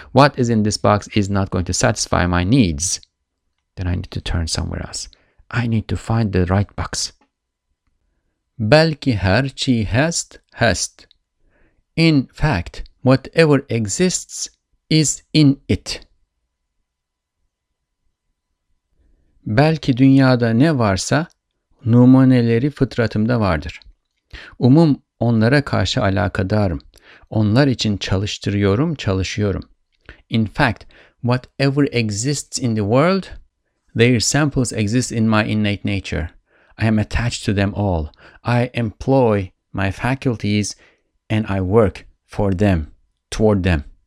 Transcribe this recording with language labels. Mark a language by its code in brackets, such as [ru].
[en] What is in this box is not going to satisfy my needs. Then I need to turn somewhere else. I need to find the right box. [fa] Belki her çi hest, hest. [en] In fact, whatever exists is in it. [tr] Belki dünyada ne varsa, numuneleri fıtratımda vardır. Umum onlara karşı alakadarım. Onlar için çalıştırıyorum, çalışıyorum. [en] In fact, whatever exists in the world, their samples exist in my innate nature. I am attached to them all. I employ my faculties and I work for them, toward them.